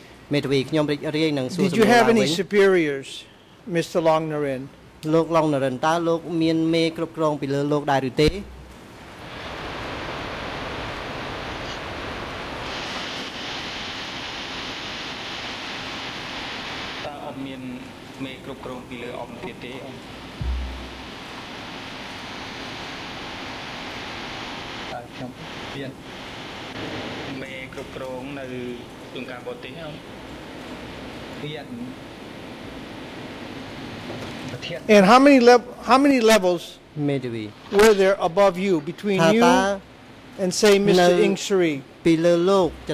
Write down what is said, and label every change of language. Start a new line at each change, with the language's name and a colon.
English: I'll be happy to rephrase. Did you have any superiors, Mr. Long Narin?
Khmer: លោក ឡុង ណារិន តើ លោក មាន មេ គ្រប់ គ្រង ពី លើ លោក ដែរ ឬ ទេ? តើ អត់ មាន មេ គ្រប់ គ្រង ពី លើ អត់ ទៀត ទេ? តើ ខ្ញុំ មាន មេ គ្រប់ គ្រង នៅ ក្នុង ការ បរទេស អត់ មាន
English: And how many levels were there above you, between you and, say, Mr. Ing Sri?